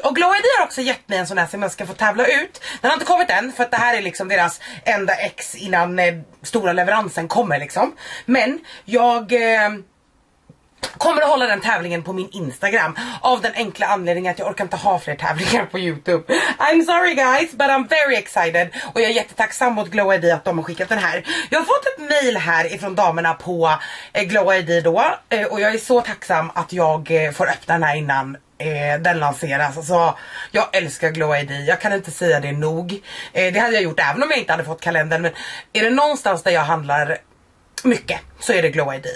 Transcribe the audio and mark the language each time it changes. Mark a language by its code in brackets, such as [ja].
[sv] Och Glow ID har också gett mig en sån här som jag ska få tävla ut. Den har inte kommit än för att det här är liksom deras enda ex innan stora leveransen kommer liksom. Men jag... kommer att hålla den tävlingen på min Instagram av den enkla anledningen att jag orkar inte ha fler tävlingar på YouTube. [en] I'm sorry guys, but I'm very excited. [sv] Och jag är jättetacksam mot Glow ID att de har skickat den här. Jag har fått ett mail här ifrån damerna på Glow ID då. Och jag är så tacksam att jag får öppna den här innan den lanseras. Alltså, jag älskar Glow ID, jag kan inte säga det nog. Det hade jag gjort även om jag inte hade fått kalendern. Men är det någonstans där jag handlar mycket, så är det Glow ID.